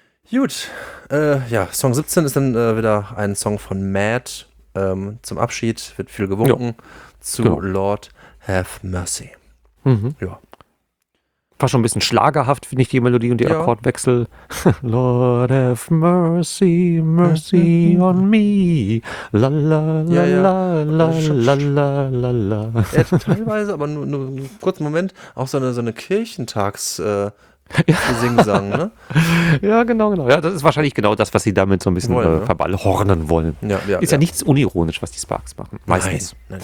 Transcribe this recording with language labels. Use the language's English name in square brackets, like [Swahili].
[German] Gut. Song 17 ist dann wieder ein Song von Matt. Zum Abschied wird viel gewunken. Jo. Zu genau. Lord Have Mercy. Mhm. Ja. fast schon ein bisschen schlagerhaft, finde ich, die Melodie und die Akkordwechsel. [English] Lord have mercy, mercy on me. La la la la la la la la la. [German] Teilweise, aber nur einen kurzen Moment, auch so eine Kirchentags- Sing-Sang, ne? Ja, genau. Ja, das ist wahrscheinlich genau das, was sie damit so ein bisschen verballhornen wollen. Ist ja nichts unironisch, was die Sparks machen. Meistens.